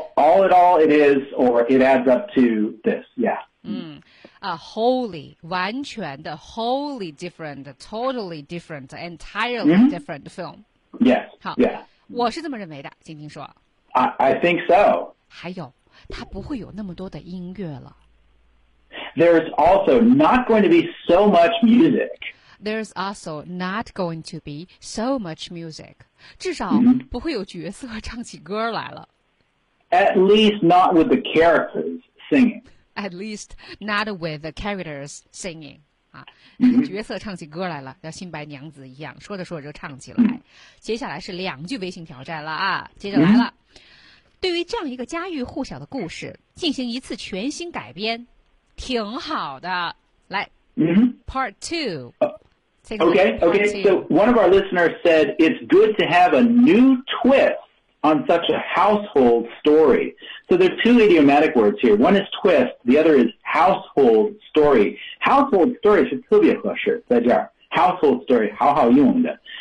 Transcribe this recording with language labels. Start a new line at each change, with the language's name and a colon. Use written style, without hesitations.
English: All in all, it is, or it adds up to this. Yeah. A wholly, 完全的 wholly different, totally different, entirely different film. Yes.
Chinese: 好 我是这么认为的，晶晶说。
English: I think so.
Chinese: 还有，它不会有那么多的音乐了。
English: There's also not going to be so much music. There's also not going to be so much music.
Chinese: 至少不会有角色唱起歌来了。
English: At least not with the characters singing. At least not with the characters singing.
Chinese: 啊，角色唱起歌来了，像新白娘子一样，说着说着就唱起来。接下来是两句微信挑战了啊，接着来了。对于这样一个家喻户晓的故事，进行一次全新改编，挺好的。来，
English: Part two. Okay. So one of our listeners said it's good to have a new twist on such a household story. So there are two idiomatic words here. One is twist, the other is household story.
Chinese: Household story 是特别合适在这儿。Household story 好好用的。